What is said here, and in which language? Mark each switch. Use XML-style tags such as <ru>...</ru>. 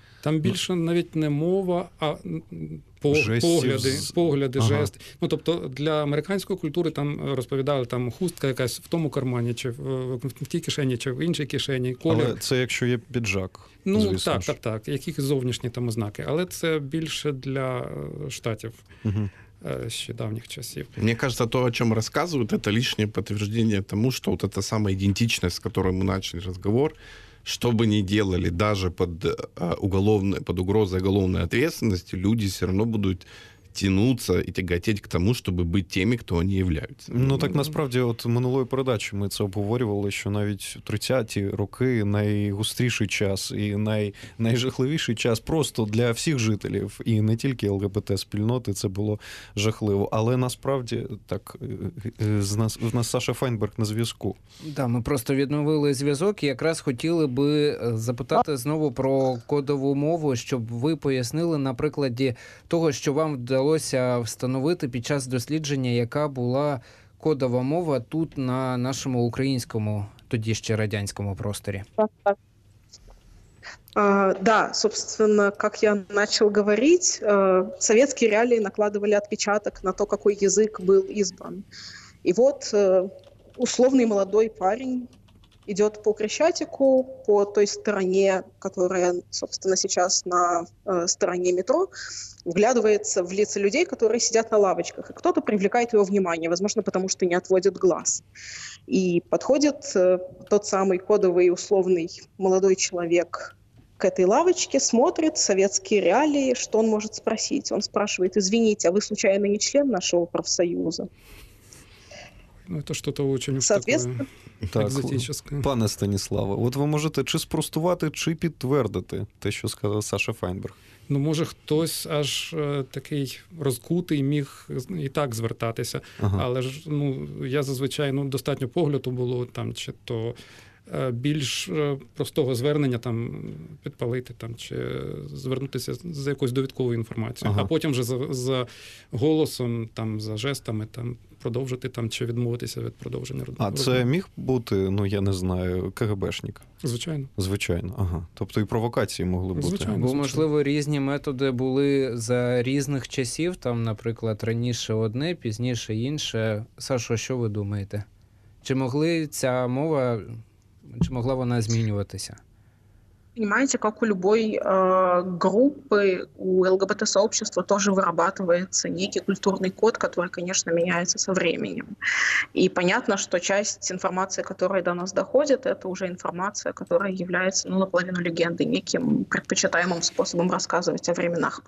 <uk>Там більше навіть не мова, а погляди, погляди, ага. Жести. Ну, тобто для американської культури там розповідали, там хустка якась в тому кармані, чи в тій кишені, чи в іншій кишені, колір. Але це якщо є піджак, ну, звісно. Так, так, так, яких зовнішні там ознаки. Але це більше для штатів. Угу. Ще давніх часів.</uk> <ru>Мені кажется, то, о чем рассказывают, это лишнее подтверждение тому, что вот эта самая идентичность, с которой мы начали разговор, что бы ни делали, даже под угрозой уголовной ответственности, люди все равно будут тянуться и тяготеть к тому, чтобы быть теми, кто они являются.</ru> <uk>Ну, так, насправді, от в минулої передачі ми це обговорювали, що навіть 30-ті роки найгустріший час і найжахливіший час просто для всіх жителів, і не тільки ЛГБТ-спільноти, це було жахливо. Але, насправді, так, в нас Саша Файнберг на зв'язку. Да, ми просто відновили зв'язок і якраз хотіли би запитати знову про кодову мову, щоб ви пояснили на прикладі того, що вам вдалося встановити під час дослідження, яка була кодова мова тут на нашому українському, тоді ще радянському просторі.</uk> <ru>Так, да, собственно, как я начал говорить, советские реалии накладывали отпечаток на то, какой язык был избран. И вот условный молодой парень идет по Крещатику, по той стороне, которая, собственно, сейчас на стороне метро, вглядывается в лица людей, которые сидят на лавочках, и кто-то привлекает его внимание, возможно, потому что не отводит глаз. И подходит тот самый кодовый условный молодой человек к этой лавочке, смотрит советские реалии, что он может спросить. Он спрашивает: «Извините, а вы случайно не член нашего профсоюза?» Ну, это что-то очень экзотическое.</ru> <uk>Пане Станіславе, от ви можете чи спростувати, чи підтвердити те, що сказав Саша Файнберг? Ну, може, хтось аж такий розкутий міг і так звертатися. Ага. Але ж, ну, я зазвичай, ну, достатньо погляду було там, чи то більш простого звернення там підпалити, там, чи звернутися за якоюсь довідковою інформацією. Ага. А потім вже за голосом, там, за жестами, там, продовжити там, чи відмовитися від продовження. А це міг бути, ну, я не знаю, КГБшник? Звичайно. Звичайно, ага. Тобто і провокації могли бути. Звичайно. Бо, можливо, різні методи були за різних часів, там, наприклад, раніше одне, пізніше інше. Сашо, що ви думаєте? Чи могли ця мова... Чи могла вона змінюватися?</uk> <ru>Понимаете, как у любой группы, у ЛГБТ-сообщества тоже вырабатывается некий культурный код, который, конечно, меняется со временем. И понятно, что часть информации, которая до нас доходит, это уже информация, которая является, ну, наполовину легендой, неким предпочитаемым способом рассказывать о временах.</ru>